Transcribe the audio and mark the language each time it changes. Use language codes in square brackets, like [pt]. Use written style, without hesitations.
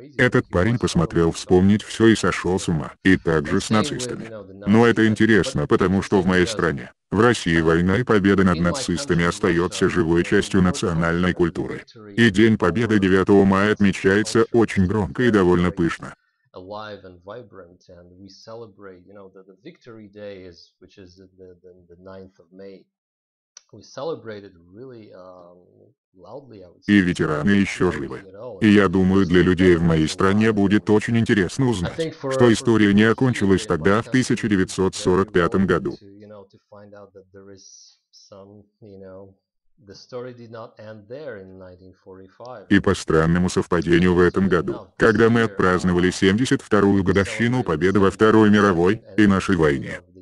[ru] Этот парень посмотрел вспомнить все и сошел с ума. И также с нацистами. Но это интересно, потому что в моей стране, в России, война и победа над нацистами остается живой частью национальной культуры. И День Победы 9 мая отмечается очень громко и довольно пышно. [en] Alive and vibrant, and we celebrate, you know, the victory day is, which is the 9th of May. We celebrated really loudly, I would say. [ru] И ветераны еще живы. И я думаю, для людей в моей стране будет очень интересно узнать, что история не окончилась тогда, в 1945 году. [en] To find out that there is some, you know, the story did not end there in 1945. [ru] И по странному совпадению в этом году, когда мы отпраздновали 72-ю годовщину победы во Второй мировой и нашей войне.